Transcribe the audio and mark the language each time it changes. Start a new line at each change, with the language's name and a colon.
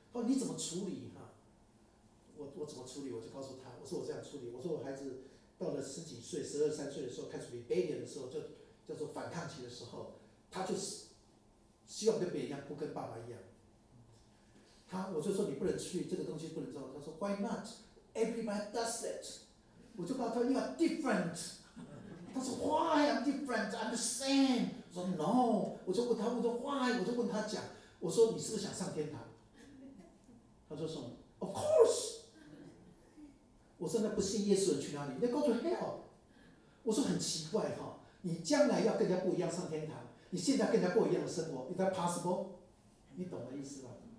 Chinese: 他说你怎么处理哈、啊？我怎么处理？我就告诉他，我说我这样处理。我说我孩子到了十几岁、十二三岁的时候，开始 rebellion 的时候，就叫做反抗期的时候，他就是希望跟别人一样，不跟爸爸一样。我就说你不能去，这个东西不能做。他说
English: Why not? Everybody does it.
Chinese: 我就告诉他
English: You are different.
Chinese: 他说
English: Why? I'm different. I'm the same.
Chinese: 我说 no， 我就问他，我说 why， 我就问他讲，我说你是不是想上天堂？他说什么 ？
English: Of course。
Chinese: 我说那不信耶稣的去哪里？那
English: go to hell。
Chinese: 我说很奇怪哈、哦，你将来要更加不一样上天堂，你现在更加过一样的生活 ，
English: is that possible？
Chinese: 你懂的意思吧？